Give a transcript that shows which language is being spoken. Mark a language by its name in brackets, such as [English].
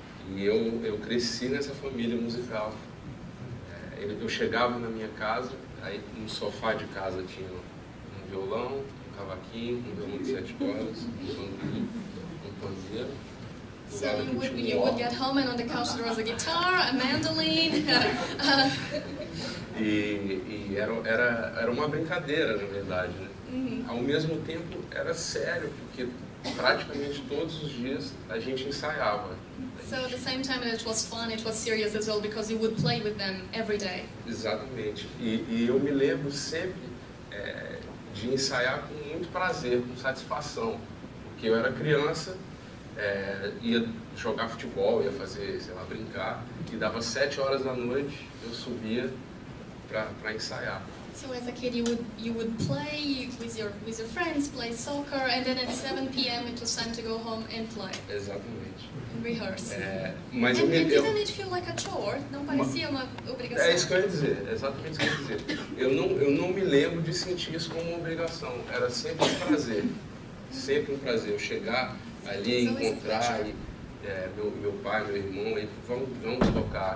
[Portuguese] E eu cresci nessa família musical. Eu chegava na minha casa, aí no sofá de casa tinha um violão, Joaquim, com violão de 7 cordas, um pandeiro. [English] So you would get home and on the couch there was a guitar, a mandolin. [Portuguese] E era uma brincadeira, na verdade. Né? Uh-huh. Ao mesmo tempo, era sério, porque praticamente todos os dias a gente ensaiava. [English] So at the same time it was fun, it was serious as well, because you would play with them every day. [Portuguese] Exatamente. E eu me lembro sempre de ensaiar com muito prazer, com satisfação. Porque eu era criança, ia jogar futebol, ia fazer, sei lá, brincar, e dava 7 horas da noite, eu subia para ensaiar. [English] So as a kid you would play with your friends, play soccer, and then at 7 p.m. it was time to go home and play. [Portuguese] Exatamente. [English] And rehearse. Didn't it feel like a chore? [Portuguese] Não parecia uma obrigação? É isso que eu ia dizer, exatamente isso que eu ia dizer. Eu não me lembro de sentir isso como uma obrigação. Era sempre um prazer. Sempre um prazer. Eu chegar ali, so encontrar meu pai, meu irmão, e vamos tocar.